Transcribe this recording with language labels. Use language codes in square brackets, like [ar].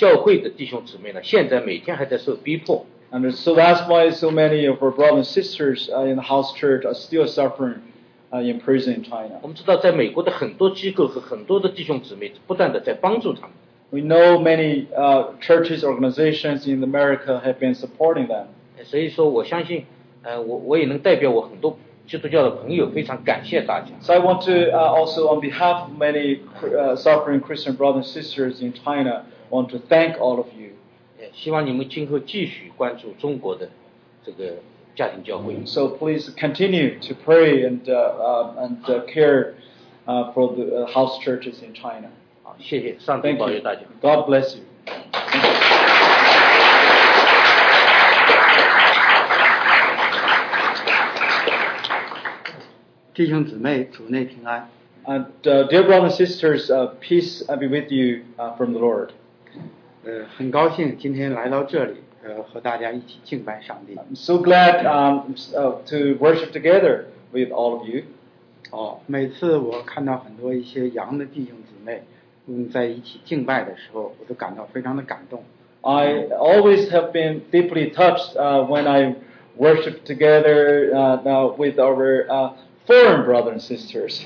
[zh] 所以呢,我们有很多家庭教会的弟兄姊妹呢,现在每天还在受逼迫。 [en] And so that's why so many of our brothers and sisters in the house church are still suffering in prison in China. We know many churches, organizations in America have been supporting them. [zh] 所以说我相信我也能代表我很多基督教的朋友非常感谢大家。 [en] So I want to also on behalf of many suffering Christian brothers and sisters in China, want to thank all of you. [zh] 希望你们今后继续关注中国的这个家庭教会。 [en] So please continue to pray and care for the house churches in China. [zh] 好，谢谢，上帝保佑大家。 [en] God bless you. [zh] 弟兄姊妹，主内平安。 [en] And dear brothers and sisters, peace be with you from the Lord. [zh] 很高兴今天来到这里，和大家一起敬拜上帝。 [en] I'm so glad to worship together with all of you. [zh] 哦，每次我看到很多一些洋的弟兄姊妹，在一起敬拜的时候，我都感到非常的感动。 [en] I always have been deeply touched when I worship together now with our foreign brothers and sisters.